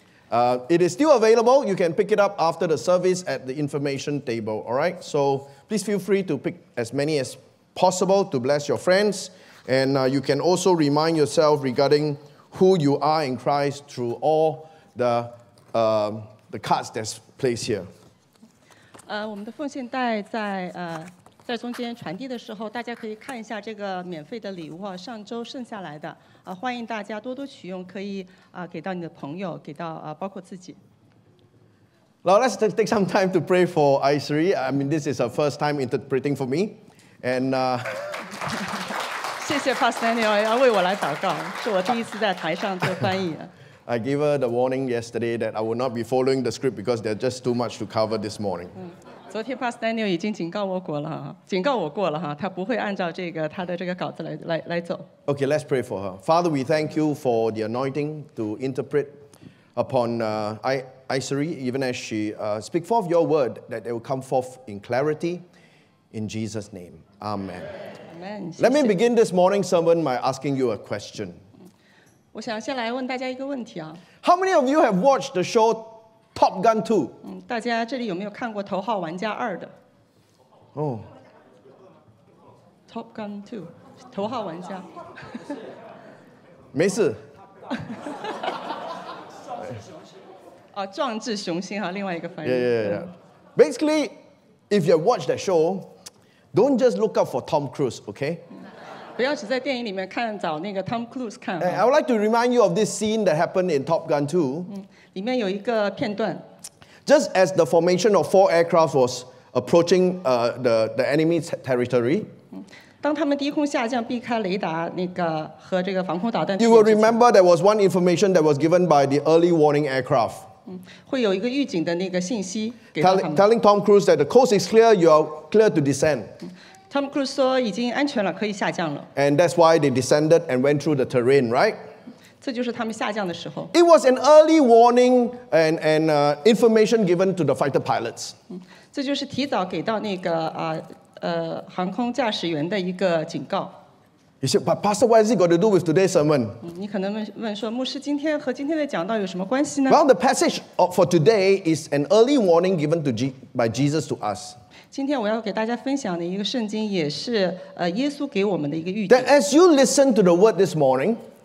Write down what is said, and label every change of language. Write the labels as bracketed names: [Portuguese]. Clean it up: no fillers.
[English] It is still available. You can pick it up after the service at the information table, all right? So please feel free to pick as many as possible to bless your friends. And you can also remind yourself regarding who you are in Christ through all the cards that's placed here. [Chinese] 我们的奉献袋在中间传递的时候，大家可以看一下这个免费的礼物，上周剩下来的，欢迎大家多多取用，可以给到你的朋友，给到包括自己。 [English] Now let's take some time to pray for Aisri. I mean, this is her first time interpreting for me. And [Chinese] 谢谢 Pastor Daniel 要为我来祷告，是我第一次在台上做翻译。 [English] I gave her the warning yesterday that I will not be following the script because there's just too much to cover this morning. [Chinese] 昨天 Pastor Daniel 已经警告我过了，警告我过了哈，他不会按照这个他的这个稿子来走。 [English] Okay, let's pray for her. Father, we thank you for the anointing to interpret upon Aisri, even as she speak forth your word, that it will come forth in clarity, in Jesus' name. Amen. Amen. Let me begin this morning's sermon by asking you a question. [Chinese] 我想先来问大家一个问题啊。 [English] How many of you have watched the show Top Gun 2? [Chinese] 大家这里有没有看过《头号玩家2》的？ Oh. Top Gun 2, 头号玩家。没事。哦，壮志雄心啊，另外一个翻译。 [English] Yeah. Basically, if you watch that show, don't just look up for Tom Cruise, okay? [Chinese] 不要只在电影里面看找那个 Tom Cruise 看。 [English] I would like to remind you of this scene that happened in Top Gun 2. [Chinese] 里面有一个片段。 [English] Just as the formation of four aircraft was approaching the enemy's territory. [Chinese] 当他们低空下降，避开雷达那个和这个防空导弹。 [English] You will remember there was one information that was given by the early warning aircraft. [Chinese] 会有一个预警的那个信息给到他们。 [English] Telling Tom Cruise that the coast is clear, you are clear to descend. [Chinese] Tom Cruise 说已经安全了，可以下降了。 [English] And that's why they descended and went through the terrain, right? [Chinese] 这就是他们下降的时候。 [English] It was an early warning and information given to the fighter pilots. [Chinese] 这就是提早给到那个航空驾驶员的一个警告。 [English] You said, but Pastor, what has it got to do with today's sermon? [Chinese] 你可能问说，牧师今天和今天的讲道有什么关系呢？ [English] Well, the passage for today is an early warning given by Jesus to us. [Chinese] 今天我要给大家分享的一个圣经也是耶稣给我们的一个预警。 [English] That as you listen to the word this morning,